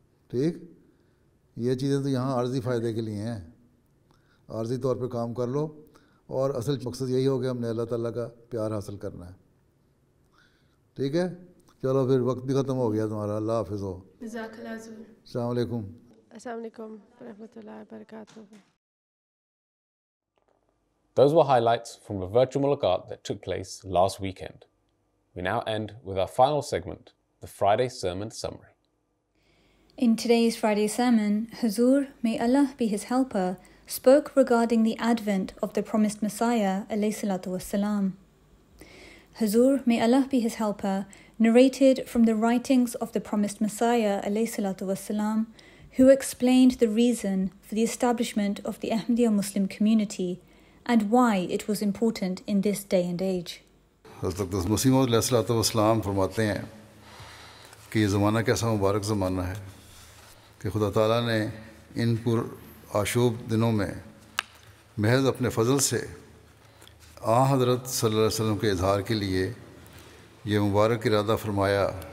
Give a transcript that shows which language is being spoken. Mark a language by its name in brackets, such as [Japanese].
[Urdu] ٹھیک, یہ چیزیں تو یہاں عارضی فائدے کے لیے ہیں, عارضی طور پہ کام کر لو, اور اصل مقصد یہی ہو کہ ہم نے اللہ تعالیٰ کا پیار حاصل کرنا ہے. ٹھیک ہے, چلو پھر وقت بھی ختم ہو گیا تمہارا اللہ حافظ ہو جزاک اللہ حضور السلام علیکم السلام علیکم ورحمۃ اللہ وبرکاتہ [English] Those were highlights from a virtual Mulaqat that took place last weekend. We now end with our final segment, the Friday Sermon Summary. In today's Friday sermon, Huzoor, may Allah be his helper, spoke regarding the advent of the promised Messiah, alayhi salatu wassalam. Huzoor, may Allah be his helper, narrated from the writings of the promised Messiah, alayhi salatu wassalam, who explained the reason for the establishment of the Ahmadiyya Muslim community and why it was important in this day and age. [Urdu] حضرت مسیح موعود علیہ الصلوۃ والسلام فرماتے ہیں کہ یہ زمانہ کیسا مبارک زمانہ ہے کہ خدا تعالیٰ نے ان پر آشوب دنوں میں محض اپنے فضل سے آ حضرت صلی اللہ علیہ وسلم کے اظہار کے لیے یہ مبارک ارادہ فرمایا